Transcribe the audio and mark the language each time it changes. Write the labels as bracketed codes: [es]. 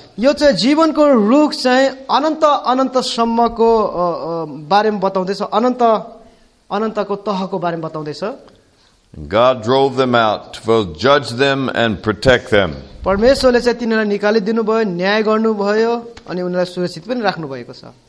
[ne] यो चाहिँ जीवनको रुख चाहिँ अनन्त अनन्त सम्मको बारेमा बताउँदैछ अनन्त अनन्तको तहको बारेमा बताउँदैछ. [en] God drove them out to judge them and protect them. [ne] परमेश्वरले चाहिँ तिनीहरूलाई निकाली दिनुभयो न्याय गर्नुभयो अनि उनीहरूलाई सुरक्षित पनि राख्नु भएको छ.